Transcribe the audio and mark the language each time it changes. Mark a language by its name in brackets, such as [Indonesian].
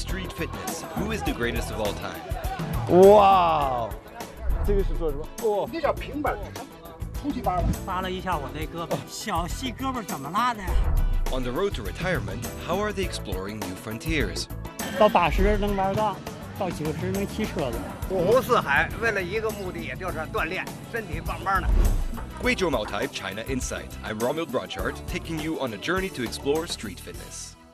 [English] street fitness, who is the greatest of all time? [Chinese] Wow,这个是做什么？哦，那叫平板支撑，初级班了。扒了一下我那胳膊，小细胳膊怎么拉的呀？ [English] On the road to retirement, how are they exploring new frontiers? [Chinese] 到80能玩到，到90能骑车了。五湖四海，为了一个目的，也就是锻炼身体棒棒的。Guizhou [English] Maotai, China Insight. I'm Romuald Brochardt, taking you on a journey to explore street fitness.